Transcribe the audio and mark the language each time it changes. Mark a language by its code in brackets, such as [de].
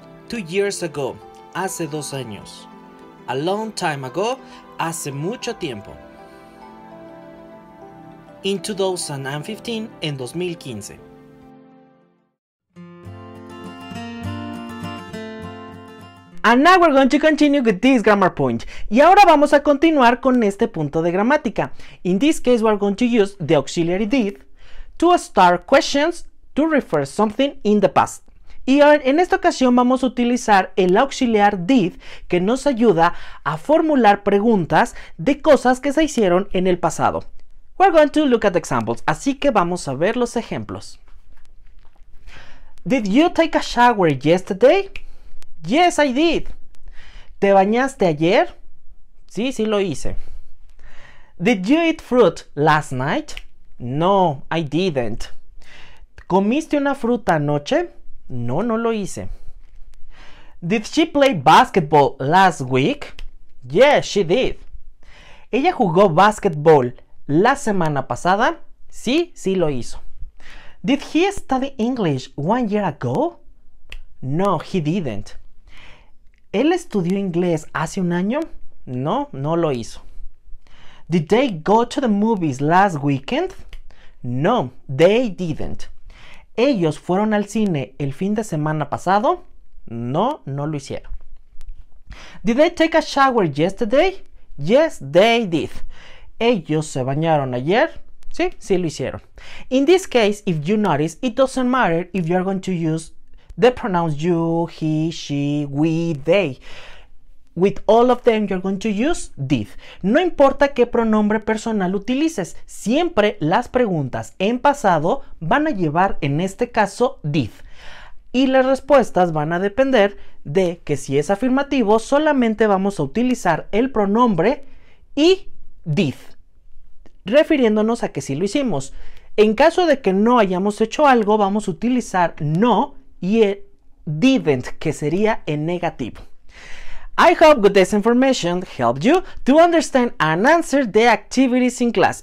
[en] 2 years ago, [es] hace 2 años. [en] A long time ago, [es] hace mucho tiempo. [en] In 2015, en 2015. And now we're going to continue with this grammar point. [es] Y ahora vamos a continuar con este punto de gramática. [en] In this case, we're going to use the auxiliary did to start questions to refer something in the past. [es] Y en esta ocasión vamos a utilizar el auxiliar did que nos ayuda a formular preguntas de cosas que se hicieron en el pasado. [en] We're going to look at examples. [es] Así que vamos a ver los ejemplos. [en] Did you take a shower yesterday? Yes, I did. [es] ¿Te bañaste ayer? Sí, sí lo hice. [en] Did you eat fruit last night? No, I didn't. [es] ¿Comiste una fruta anoche? No, no lo hice. [en] Did she play basketball last week? Yes, she did. [es] ¿Ella jugó basketball la semana pasada? Sí, sí lo hizo. [en] Did he study English 1 year ago? No, he didn't. [es] ¿Él estudió inglés hace un año? No, no lo hizo. [en] Did they go to the movies last weekend? No, they didn't. [es] ¿Ellos fueron al cine el fin de semana pasado? No, no lo hicieron. [en] Did they take a shower yesterday? Yes, they did. [es] ¿Ellos se bañaron ayer? Sí, sí lo hicieron. [en] In this case, if you notice, it doesn't matter if you are going to use the pronouns you, he, she, we, they. With all of them, you're going to use did. [es] No importa qué pronombre personal utilices, siempre las preguntas en pasado van a llevar, en este caso, did. Y las respuestas van a depender de que si es afirmativo, solamente vamos a utilizar el pronombre y did, refiriéndonos a que sí lo hicimos. En caso de que no hayamos hecho algo, vamos a utilizar no y el didn't, que sería en negativo. [en] I hope that this information helped you to understand and answer the activities in class.